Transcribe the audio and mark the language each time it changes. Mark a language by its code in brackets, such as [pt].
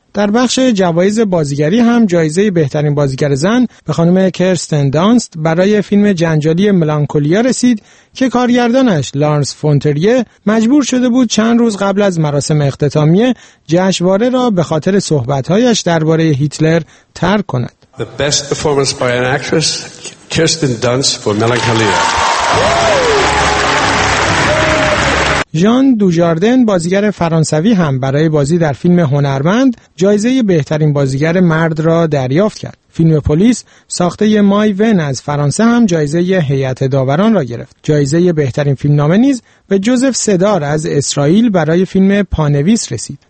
[fa] در بخش جوایز بازیگری هم جایزه بهترین بازیگر زن به خانم کرستن دانست برای فیلم جنجالی ملانکولیا رسید که کارگردانش لارنس فونتریه مجبور شده بود چند روز قبل از مراسم اختتامیه جشنواره را به خاطر صحبت‌هایش درباره هیتلر ترک کند. [en] The best performance by an actress, Kirsten Dunst for Melancholia. [fa] ژان دوجاردن، بازیگر فرانسوی، هم برای بازی در فیلم هنرمند جایزه بهترین بازیگر مرد را دریافت کرد. فیلم پلیس ساخته مای ون از فرانسه هم جایزه هیئت داوران را گرفت. جایزه بهترین فیلمنامه نیز به جوزف سدار از اسرائیل برای فیلم پانویس رسید.